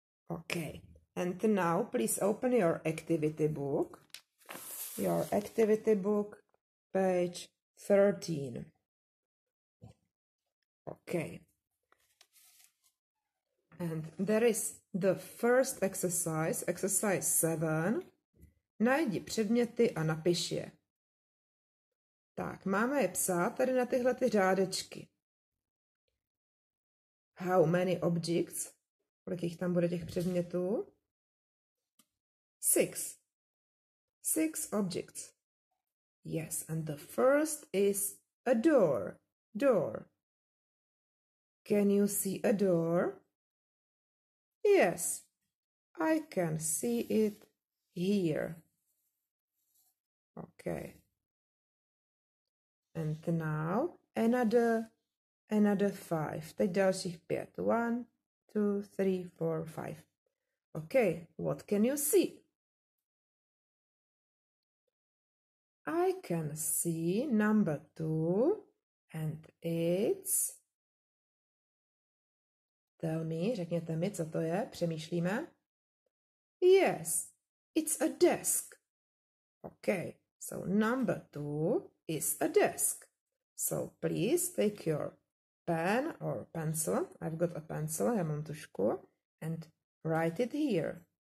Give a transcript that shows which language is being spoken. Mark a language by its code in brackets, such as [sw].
[en] Okay, and now please open your activity book. Your activity book, page 13. Okay. And there is the first exercise, exercise 7. [cs] Najdi předměty a napiš je. Tak, máme je psát tady na tyhle ty řádečky. [en] How many objects? [cs] Kolik jich tam bude těch předmětů? [en] Six. Six objects. Yes, and the first is a door. Door. Can you see a door? Yes, I can see it here. Okay. And now another five. [cs] Teď dalších pět. [en] One, two, three, four, five. Okay, what can you see? I can see number two and it's... Tell me, [cs] řekněte mi, co to je, přemýšlíme. [en] Yes, it's a desk. Okay, so number two is a desk. So please take your pen or pencil. I've got a pencil, [cs] já mám tušku, [en] and write it here.